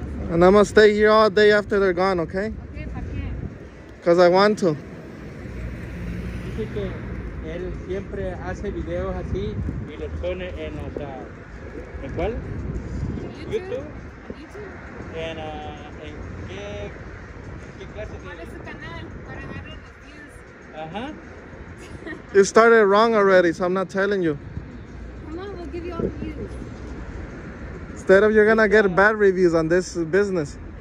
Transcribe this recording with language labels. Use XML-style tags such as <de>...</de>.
<en>And I'm gonna stay here all day after they're gone, okay? Okay, papi. Cause I want to.</en> <es>Dice que él siempre hace videos así y los pone en los, ¿en cuál?</es> <en>YouTube.</en> <es>En en qué clase de? ¿Cuál es su canal para ganar los views? Ajá.</es> <en>You started wrong already, so I'm not telling you. Come on, we'll give you all the views. Instead of, you're gonna get bad reviews on this business.</en>